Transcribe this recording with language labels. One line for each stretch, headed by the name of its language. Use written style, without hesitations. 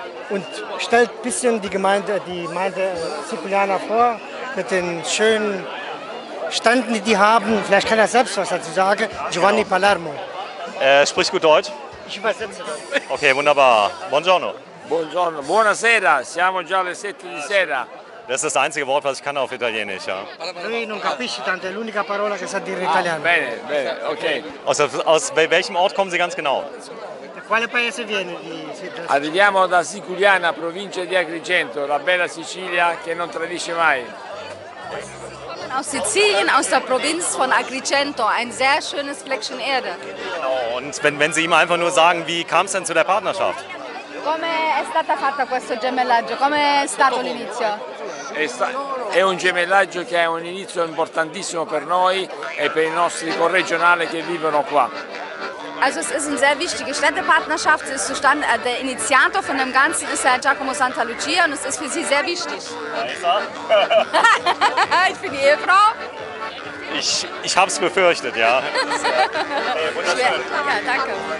German: Und stellt ein bisschen die Gemeinde Siculiana vor mit den schönen Ständen, die die haben. Vielleicht kann er selbst was dazu sagen. Giovanni genau. Palermo. Sprich gut Deutsch? Ich übersetze das. Okay, wunderbar. Buongiorno.
Italian: Buongiorno. Buonasera. Siamo già alle 7 di sera.
German: Das ist das einzige Wort, was ich kann auf Italienisch, ja.
Italian: Lui non capisce tanto, è l'unica parola che sa dire italiano. Bene, bene, okay.
German: Aus welchem Ort kommen Sie ganz genau?
Italian: Da quale paese viene? Arriviamo da Siculiana, provincia di Agrigento, la bella Sicilia che non tradisce mai.
German: Aus Sizilien, aus der Provinz von Agrigento, ein sehr schönes Fleckchen Erde. Genau, und wenn Sie ihm einfach nur sagen, wie kam es denn zu der Partnerschaft?
Italian: Come è stata fatta questo gemellaggio? Come è stato l'inizio? È un gemellaggio che è un inizio importantissimo per noi e per i nostri corregionali che vivono qua.
German: Also es ist eine sehr wichtige Städtepartnerschaft. Es ist zustande, der Initiator von dem Ganzen ist Herr Giacomo Santa Lucia und es ist für Sie sehr wichtig. Ich bin die Ehefrau. Ich habe es befürchtet, ja. Wunderschön. Ja, danke.